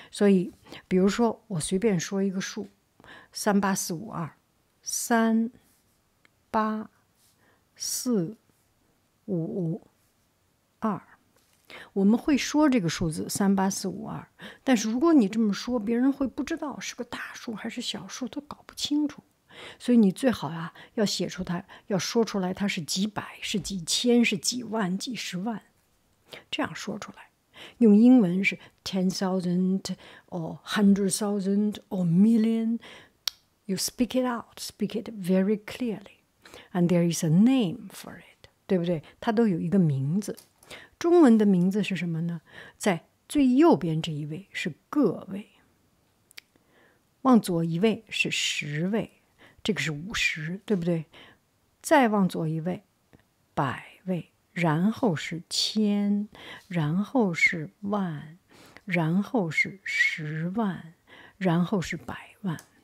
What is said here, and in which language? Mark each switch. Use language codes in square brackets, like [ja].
[zh] 所以比如说我随便说一个数，三八四五二，三八四五二，我们会说这个数字三八四五二，但是如果你这么说，别人会不知道是个大数还是小数，都搞不清楚。所以你最好啊，要写出它，要说出来它是几百、是几千、是几万、几十万，这样说出来。用英文是 [en] 10,000 or 100,000 or million. You speak it out, speak it very clearly, and there is a name for it， [zh] 对不对？它都有一个名字。中文的名字是什么呢？在最右边这一位是个位，往左一位是十位，这个是五十，对不对？再往左一位，百位，然后是千，然后是万，然后是十万，然后是百万。